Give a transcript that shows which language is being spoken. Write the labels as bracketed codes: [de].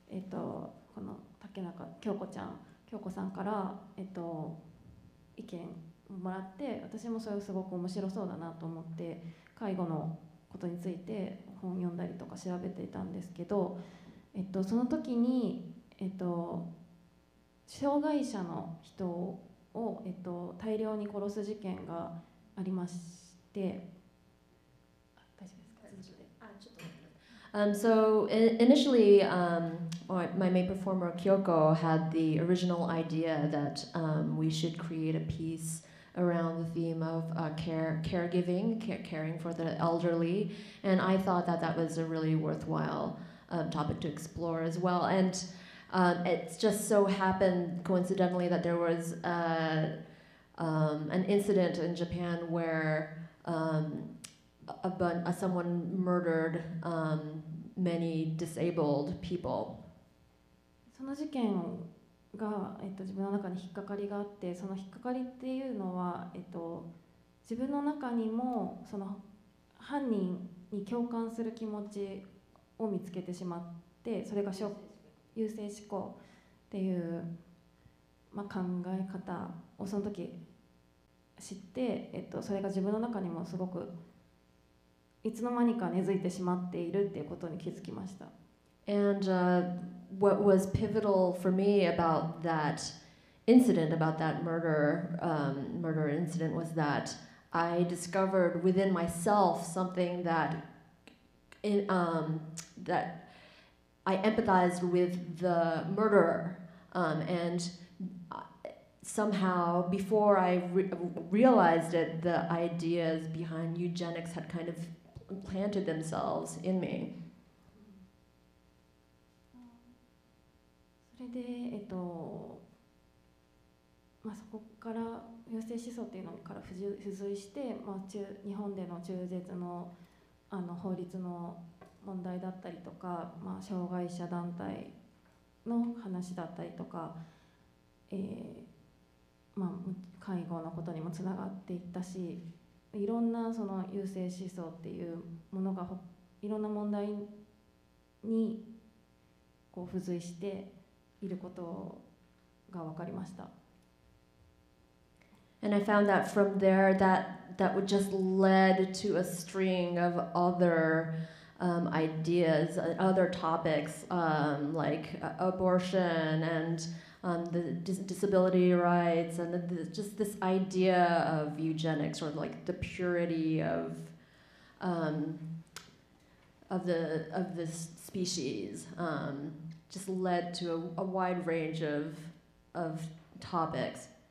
[ja] この竹中京子ちゃん京子さんから、意見をもらって、私もそれをすごく面白そうだなと思って介護のことについて本読んだりとか調べていたんですけど、その時に、障害者の人を、大量に殺す事件がありまして、あ、大丈夫ですか、続けて。あ、ちょっと。 [en] So initially, my main performer Kyoko had the original idea that we should create a piece around the theme of caring for the elderly, and I thought that that was a really worthwhile topic to explore as well. And it just so happened coincidentally that there was an incident in Japan where someone murdered many disabled people. [ja] その事件が、自分の中に引っかかりがあって、その引っかかりっていうのは、自分の中にもその犯人に共感する気持ちを見つけてしまって、それが優生思考っていう、まあ、考え方をその時知って、それが自分の中にもすごくいつの間にか根付いてしまっているっていうことに気づきました。 [en] And what was pivotal for me about that incident, about that murder incident, was that I discovered within myself something that, that I empathized with the murderer. And somehow, before I realized it, the ideas behind eugenics had kind of planted themselves in me. [ja] それで、まあ、そこから優生思想というのから付随して、まあ、日本での中絶 の法律の問題だったりとか、まあ、障害者団体の話だったりとか、まあ、介護のことにもつながっていったし、いろんなその優生思想っていうものがいろんな問題にこう付随していることが分かりました。 [en] And I found that from there that would just led to a string of other ideas, other topics, like abortion andthe disability rights and just this idea of eugenics, or like the purity of the species, just led to a wide range of topics.